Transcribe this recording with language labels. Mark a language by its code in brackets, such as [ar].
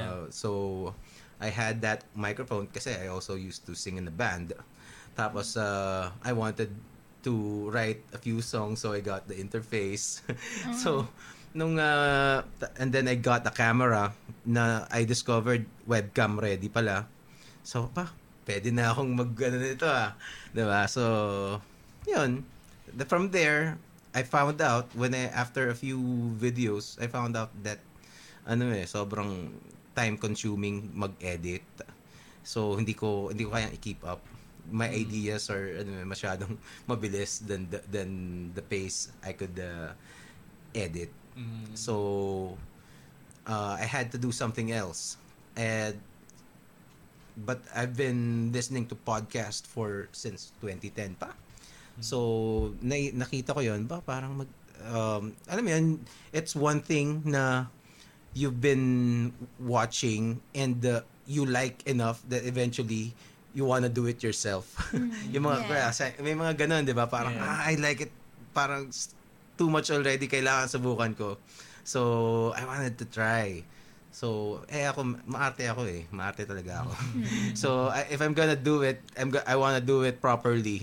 [en] So, I had that microphone kasi I also used to sing in the band. Tapos, I wanted to write a few songs so I got the interface. So, and then I got a camera na I discovered webcam ready pala. [tl] So, pwede na akong mag-ano nito ah. Diba? So, yun. [en] From there, I found out, after a few videos, I found out that, [tl] sobrang time-consuming mag-edit. So, hindi ko kayang i-keep up. [en] My ideas are, [tl] masyadong mabilis [en] than the pace I could edit. Mm-hmm. So, I had to do something else. And but I've been listening to podcast for since 2010 pa. [tl] So nakita ko yon ba parang mag alam mo yun, [en] it's one thing na you've been watching and you like enough that eventually you wanna do it yourself. [tl] Yung mga may mga ganun, di ba? [en] Parang I like it, parang too much already, [tl] kailangan subukan ko. [en] So I wanted to try. [tl] So ako maarte ako eh, maarte talaga ako. [en] So if I'm gonna do it, I wanna do it properly.